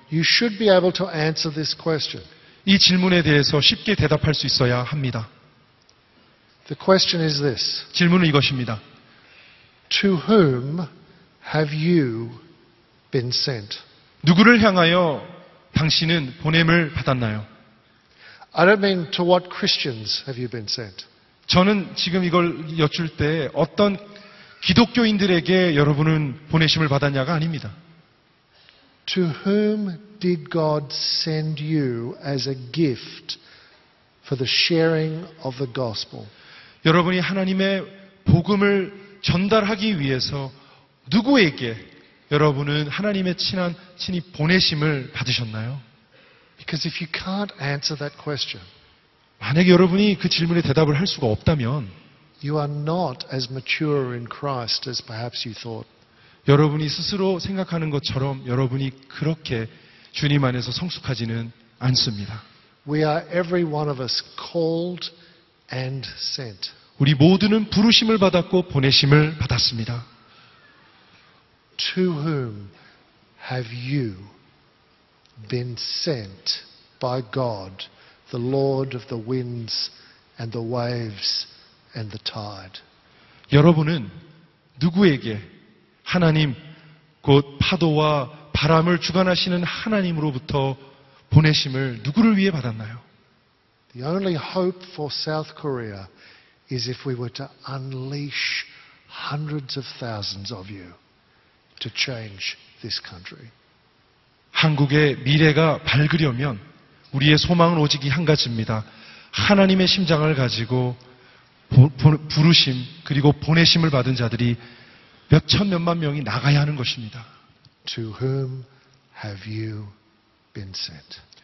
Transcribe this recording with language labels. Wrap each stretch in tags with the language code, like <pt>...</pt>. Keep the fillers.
<en>you should be able to answer this question.</en> <ko>이 질문에 대해서 쉽게 대답할 수 있어야 합니다.</ko> <en>The question is this.</en> <ko>질문은 이것입니다.</ko> <en>To whom have you been sent?</en> <ko>누구를 향하여 당신은 보냄을 받았나요?</ko> <en>I don't mean to what Christians have you been sent.</en> <ko>저는 지금 이걸 여쭐 때 어떤 기독교인들에게 여러분은 보내심을 받았냐가 아닙니다.</ko> <en>To whom did God send you as a gift for the sharing of the gospel?</en> <ko>여러분이 하나님의 복음을 전달하기 위해서 누구에게 여러분은 하나님의 친한 친히 보내심을 받으셨나요?</ko> <en>Because if you can't answer that question,</en> <ko>만약에 여러분이 그 질문에 대답을 할 수가 없다면,</ko> <en>you are not as mature in Christ as perhaps you thought.</en> <ko>여러분이 스스로 생각하는 것처럼 여러분이 그렇게 주님 안에서 성숙하지는 않습니다.</ko> <en>We are every one of us called and sent.</en> <ko>우리 모두는 부르심을 받았고 보내심을 받았습니다.</ko> <en>To whom have you been sent by God, the Lord of the winds and the waves and the tide?</en> <ko>여러분은 누구에게 하나님 곧 파도와 바람을 주관하시는 하나님으로부터 보내심을 누구를 위해 받았나요?</ko> <en>The only hope for South Korea is if we were to unleash hundreds of thousands of you to change this country.</en> <ko>한국의 미래가 밝으려면 우리의 소망은 오직 이한 가지입니다. 하나님의 심장을 가지고 부르심 그리고 보내심을 받은 자들이 몇천 몇만 명이 나가야 하는 것입니다.</ko> <en>To whom have you been sent?</en>